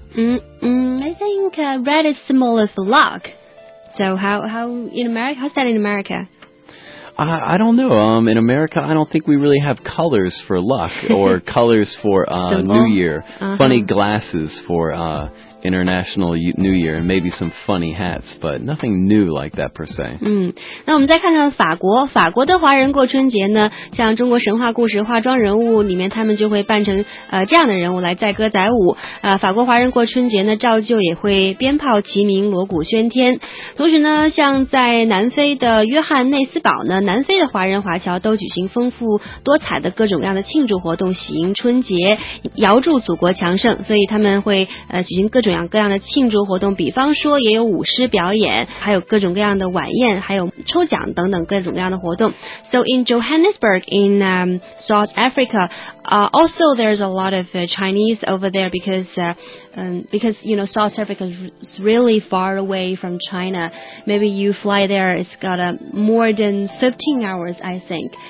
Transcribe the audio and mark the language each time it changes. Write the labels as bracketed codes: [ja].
[en] I think red is symbol of luck so how's that in America I don't know. In America, I don't think we really have colors for luck or colors for New Year. Funny glasses for International New Year, and maybe some funny hats, but nothing new like that per se. [zh] 那我们再看看法国，法国的华人过春节呢，像中国神话故事化妆人物里面，他们就会扮成这样的人物来载歌载舞。法国华人过春节呢，照旧也会鞭炮齐鸣，锣鼓喧天。同时呢，像在南非的约翰内斯堡呢，南非的华人华侨都举行丰富多彩的各种各样的庆祝活动，喜迎春节，遥祝祖国强盛。所以他们会举行各种各样的庆祝活动，比方说也有舞狮表演，还有各种各样的晚宴，还有抽奖等等各种各样的活动。 [en] So in Johannesburg in South Africa, also there's a lot of Chinese over there because you know South Africa is really far away from China. Maybe you fly there, it's got more than 15 hours I think.